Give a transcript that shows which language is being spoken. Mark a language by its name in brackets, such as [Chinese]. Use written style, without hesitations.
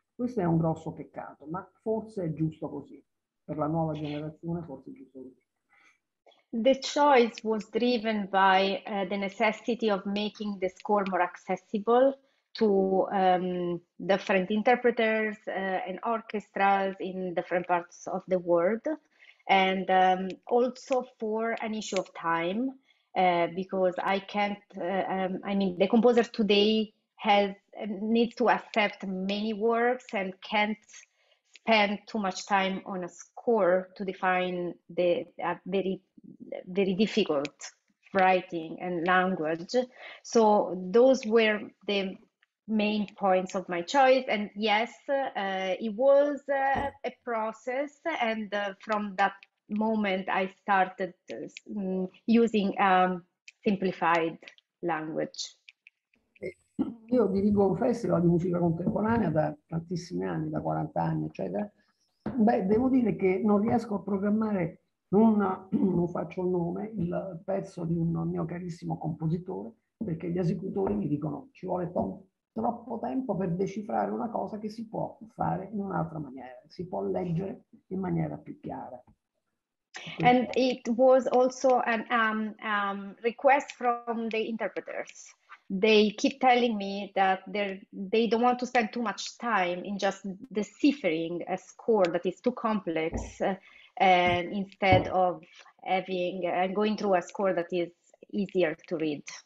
[Italian] Questo è un grosso peccato, ma forse è giusto così. Per la nuova generazione forse è giusto così. [English] The choice was driven by the necessity of making the score more accessible to different interpreters and orchestras in different parts of the world, and also for an issue of time, because I can't, I mean, the composer today needs to accept many works and can't spend too much time on a score to define the very very difficult writing and language. So those were the main points of my choice. And yes, it was a process. And from that moment, I started using simplified language. [Italian] Io dirigo un festival di musica contemporanea da tantissimi anni, da 40 anni, eccetera. Beh, devo dire che non riesco a programmare. Non faccio il nome, il pezzo di un mio carissimo compositore, perché gli esecutori mi dicono ci vuole troppo tempo per decifrare una cosa che si può fare in un'altra maniera, si può leggere in maniera più chiara. [English] And it was also an request from the interpreters. They keep telling me that they don't want to spend too much time in just deciphering a score that is too complex. And instead of having and going through a score that is easier to read.